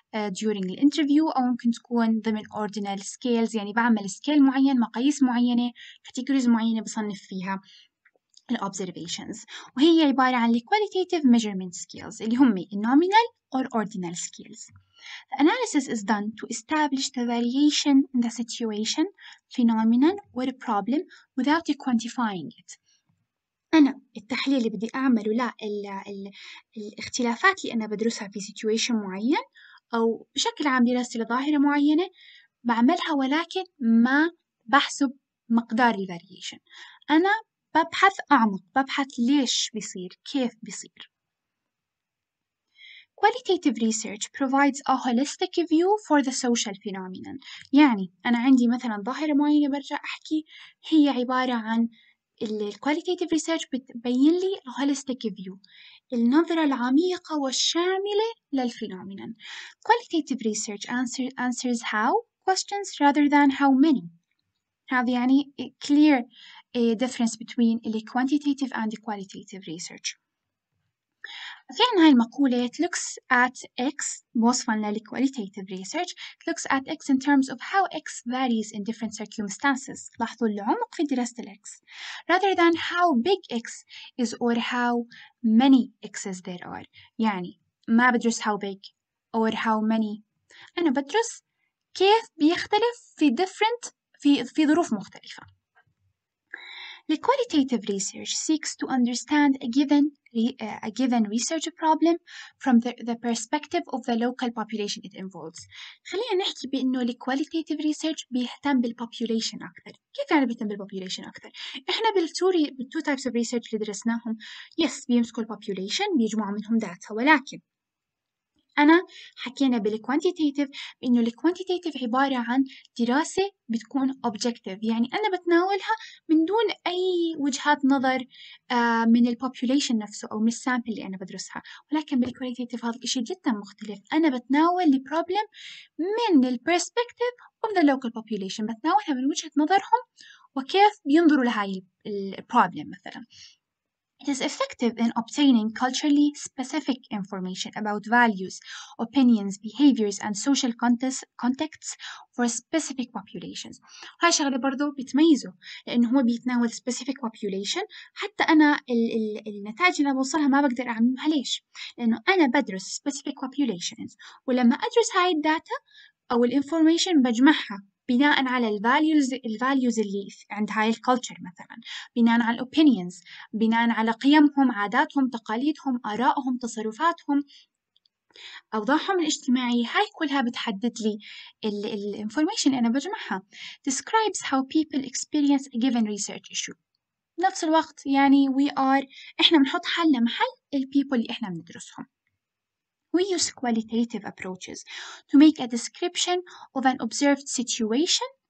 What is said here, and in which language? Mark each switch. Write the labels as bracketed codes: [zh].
[ar] during الانترفيو، أو ممكن تكون ضمن ordinal scales، يعني بعمل scale معين، مقاييس معينة، categories معينة بصنف فيها الـ observations، وهي عبارة عن الـ qualitative measurement skills اللي هم الـ nominal or ordinal skills. [en] The analysis is done to establish the variation in the situation, phenomenon, or problem without quantifying it. [ar] أنا التحليل اللي بدي أعمله لا الـ الـ الاختلافات اللي أنا بدرسها في situation معين أو بشكل عام دراستي لظاهرة معينة بعملها، ولكن ما بحسب مقدار الـ variation. أنا ببحث أعمق، ببحث ليش بيصير، كيف بيصير. [en] Qualitative research provides a holistic view for the social phenomenon. [ar] يعني أنا عندي مثلاً ظاهرة معينة برجع أحكي، هي عبارة عن Qualitative research بتبين لي a holistic view، النظرة العميقة والشاملة للphenomenon. [en] Qualitative research answers how questions rather than how many. [ar] هذا يعني [en] clear a difference between the quantitative and the qualitative research. [ar] في عن هاي المقولة [en] it looks at X، [ar] وصفاً للqualitative research [en] it looks at X in terms of how X varies in different circumstances، [ar] لاحظوا العمق في دراسة X، [en] rather than how big X is or how many X's there are. [ar] يعني ما بدرس [en] how big or how many، [ar] أنا بدرس كيف بيختلف في different في ظروف مختلفة. [en] The qualitative research seeks to understand a given research problem from the perspective of the local population it involves. [ar] خلينا نحكي بأنه the qualitative research بيهتم بالpopulation أكثر. كيف يعني بيهتم بالpopulation أكثر؟ إحنا بال [en] two types of research [ar] اللي درسناهم، yes بيمسكوا population، بيجمعوا منهم data، ولكن أنا حكينا بالquantitative بأنه الquantitative عبارة عن دراسة بتكون objective، يعني أنا بتناولها من دون أي وجهات نظر من population نفسه أو من السامبل اللي أنا بدرسها، ولكن بالquantitative هذا الشيء جدا مختلف، أنا بتناول problem من [en] perspective of the local population، [ar] بتناولها من وجهة نظرهم وكيف بينظروا لهاي problem مثلا. [en] It is effective in obtaining culturally specific information about values, opinions, behaviors, and social contexts for specific populations. [ar] هاي شغلة برضو بتميزه لأنه هو بيتناول specific population. حتى أنا النتائج اللي بوصلها ما بقدر أعممها، ليش؟ لأنه أنا بدرس specific populations، ولما أدرس هاي الداتا أو الinformation بجمعها بناء على الفاليوز اللي عند هاي الكالتشر مثلا، بناء على الاوبينيونز، بناء على قيمهم، عاداتهم، تقاليدهم، ارائهم، تصرفاتهم، اوضاعهم الاجتماعيه، هاي كلها بتحدد لي الانفورميشن اللي انا بجمعها. [en] Describes how people experience a given research issue. [ar] نفس الوقت يعني احنا بنحط حالنا محل البيبل اللي احنا بندرسهم. [en] We use qualitative approaches to make a description of an observed situation.